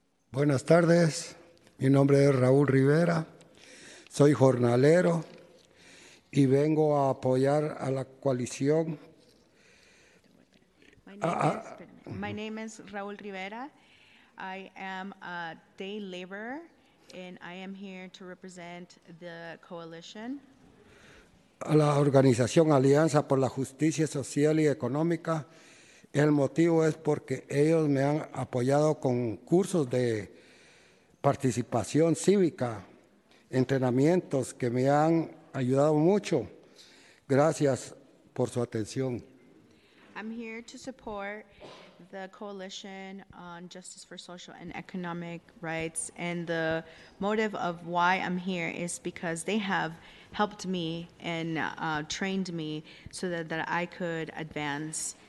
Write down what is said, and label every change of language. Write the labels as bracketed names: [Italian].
[Spanish] Buenas tardes, mi nombre es Raúl Rivera, soy jornalero y vengo a apoyar a la coalición. [English] My name is Raúl Rivera, I am a day laborer and I am here to represent the coalition. [Spanish] A la organización Alianza por la Justicia Social y Económica. El motivo es porque ellos me han apoyado con cursos de participación cívica, entrenamientos que me han ayudado mucho. Gracias por su atención. [English] I'm here to support the Coalition on Justice for Social and Economic Rights, and the motive of why I'm here is because they have helped me and trained me so that I could advance.